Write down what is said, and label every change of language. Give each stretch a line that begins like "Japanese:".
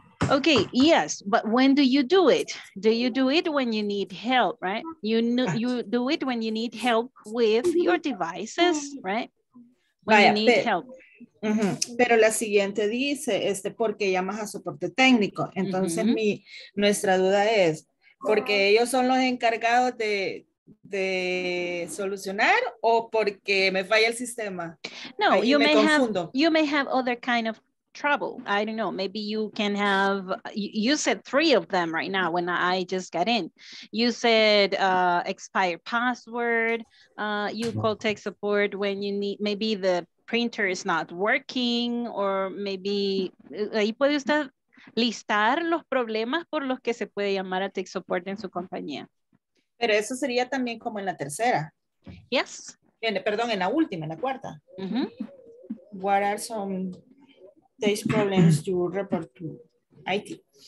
English: Ok, yes, but when do you do it? Do you do it when you need help, right? You do it when you need help with your devices, right? When vaya, you need help.
Spanish: Pero la siguiente dice, porque llamas a soporte técnico. Entonces, nuestra duda es, ¿porque ellos son los encargados de solucionar o porque me falla el sistema?
English: No, you may have other kind of trouble. I don't know, maybe you can have, you said three of them right now when I just got in. You said expired password, you call tech support when you need, maybe the printer is not working, or maybe,
Spanish: ahí puede usted listar los problemas por los que se puede llamar a tech support en su compañía. Pero eso sería también como en la tercera.
English: Yes.
Spanish: Perdón, en la última, en la cuarta. Mm-hmm.
English: What are some tech problems you report to IT?